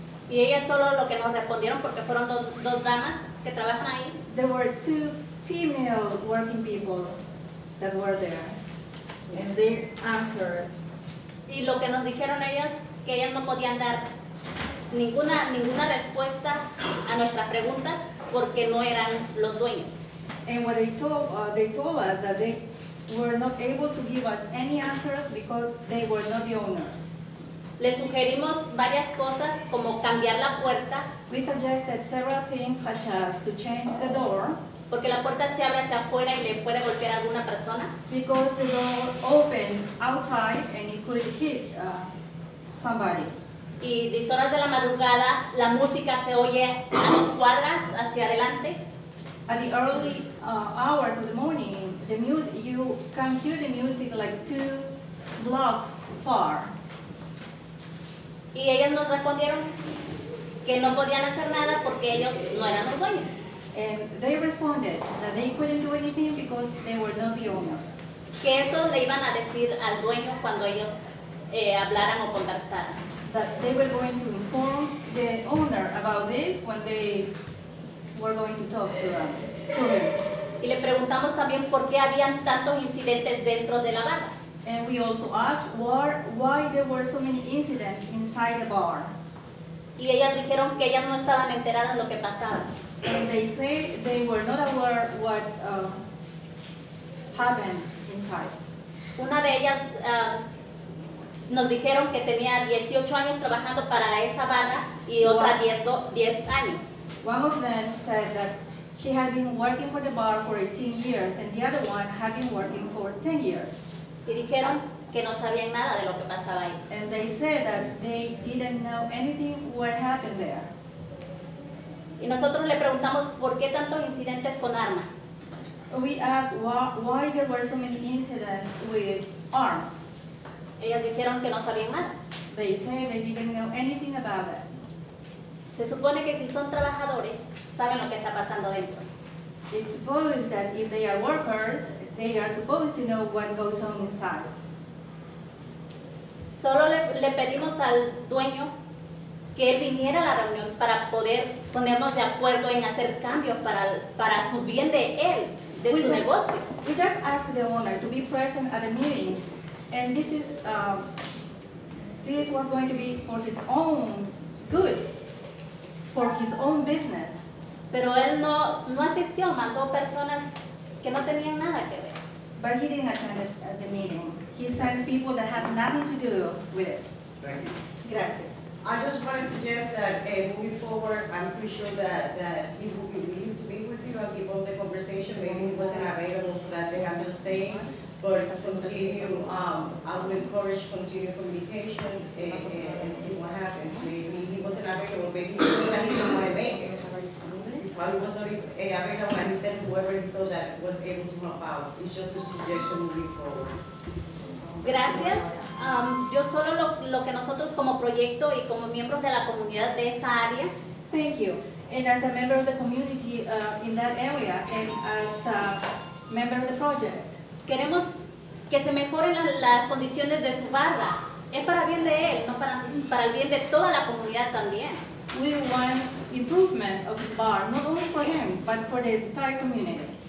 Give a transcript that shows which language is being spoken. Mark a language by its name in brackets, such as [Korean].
[Spanish] Y ellas solo lo que nos respondieron porque fueron dos damas que trabajan ahí. [English] There were two female working people that were there. And they answered. [Spanish] Y lo que nos dijeron ellas, que ellas no podían dar ninguna respuesta a nuestras preguntas porque no eran los dueños. [English] And what they told us that they were not able to give us any answers because they were not the owners. [Spanish] Le sugerimos varias cosas como cambiar la puerta. [English] We suggested several things such as to change the door. [Spanish] Porque la puerta se abre hacia afuera y le puede golpear a alguna persona. [English] Because the door opens outside and it could hit somebody. [Spanish] Y 10 horas de la madrugada la música se oye a dos cuadras hacia adelante. [English] At the early hours of the morning, the music, you can hear the music like 2 blocks far. [Spanish] Y ellas nos respondieron que no podían hacer nada porque ellos no eran los dueños. [English] And they responded that they couldn't do anything because they were not the owners. [Spanish] Que eso le iban a decir al dueño cuando ellos hablaran o conversaran. [English] That they were going to inform the owner about this when they were going to talk to them. [Spanish] Y le preguntamos también por qué habían tantos incidentes dentro de la barra. [English] And we also asked why there were so many incidents inside the bar. [Spanish] Y ellas dijeron que ellas no estaban enteradas de lo que pasaba. [English] And they say they were not aware what happened inside. [Spanish] Una de ellas nos dijeron que tenía 18 años trabajando para esa barra y otra 10 años. [English] One of them said that she had been working for the bar for 18 years, and the other one had been working for 10 years. [Spanish] Y dijeron que no sabían nada de lo que pasaba ahí. [English] And they said that they didn't know anything what happened there. [Spanish] Y nosotros le preguntamos por qué tantos incidentes con armas. [English] We asked why there were so many incidents with arms. [Spanish] Ellas dijeron que no sabían nada. [English] They said they didn't know anything about it. [Spanish] Se supone que si son trabajadores, saben lo que está pasando dentro. [English] It's supposed that if they are workers, they are supposed to know what goes on inside. [Spanish] Solo le pedimos al dueño que él viniera a la reunión para poder ponernos de acuerdo en hacer cambios para su bien de él, de su negocio. [English] We just asked the owner to be present at the meetings And this is, this was going to be for his own good, for his own business. [Spanish] Pero él no, no asistió, mandó personas que no tenían nada que ver. [English] But he didn't attend the meeting. He sent people that had nothing to do with it. Thank you. [Spanish] Gracias. [English] I just want to suggest that moving forward, I'm pretty sure that he will be willing to meet with you and keep up the conversation. Maybe he wasn't available for that day, I'm just saying. But continue, I would encourage continued communication and see what happens. Maybe he wasn't available, maybe he didn't want to make it. Probably was not available, and he sent whoever he thought that was able to help out. It's just a suggestion moving forward. [Spanish] Gracias. Yo solo lo que nosotros como proyecto y como miembros de la comunidad de esa área. [English] Thank you. And as a member of the community in that area and as a member of the project. [Spanish] Queremos que se mejoren las condiciones de su barra. Es para bien de él, no para, para el bien de toda la comunidad también. [English] We want improvement of his bar, not only for him, but for the entire community.